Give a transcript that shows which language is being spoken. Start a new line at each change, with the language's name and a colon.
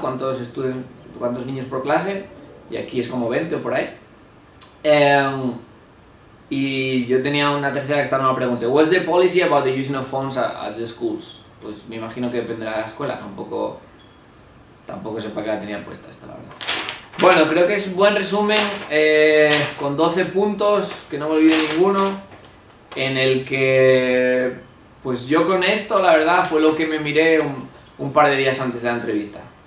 Spanish: Cuántos niños por clase, y aquí es como 20 o por ahí. Y yo tenía una tercera que estaba en una pregunta.
English: What's the policy about the using of phones at the schools?
Spanish: Pues me imagino que dependerá de la escuela. Tampoco sé para qué la tenía puesta esta, la verdad. Bueno, creo que es un buen resumen con 12 puntos, que no me olvido ninguno, en el que pues yo con esto, la verdad, fue lo que me miré un par de días antes de la entrevista.